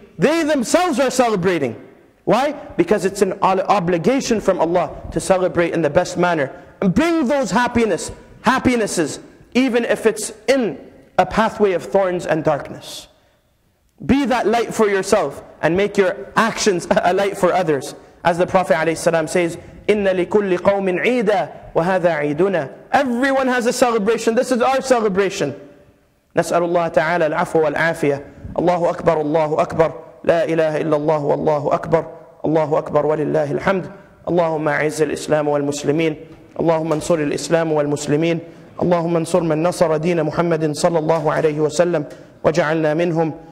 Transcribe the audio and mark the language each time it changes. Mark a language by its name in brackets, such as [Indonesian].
[English] They themselves are celebrating. Why? Because it's an obligation from Allah to celebrate in the best manner. And bring those happinesses, even if it's in a pathway of thorns and darkness. Be that light for yourself and make your actions a light for others. As the Prophet ﷺ says, [Arabic] إِنَّ لِكُلِّ قَوْمٍ عِيدًا وَهَذَا عِيدُنَا. [English] Everyone has a celebration. This is our celebration. [Arabic] نسأل الله تعالى العفو والعافية. الله أكبر الله أكبر. لا إله إلا الله والله أكبر. الله أكبر ولله الحمد. اللهم أعز الإسلام والمسلمين. اللهم انصر الإسلام والمسلمين. اللهم انصر من نصر دين محمد صلى الله عليه وسلم وجعلنا منهم.